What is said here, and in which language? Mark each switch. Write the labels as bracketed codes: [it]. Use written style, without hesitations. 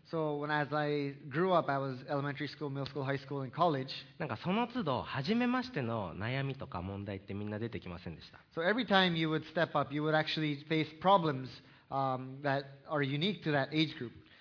[en] So when as I grew up, I was elementary school, middle school, high school, and college. [ja] なんかその都度初めましての悩みとか問題ってみんな出てきませんでした。 [en] So every time you would step up, you would actually face problems that are unique to that age group.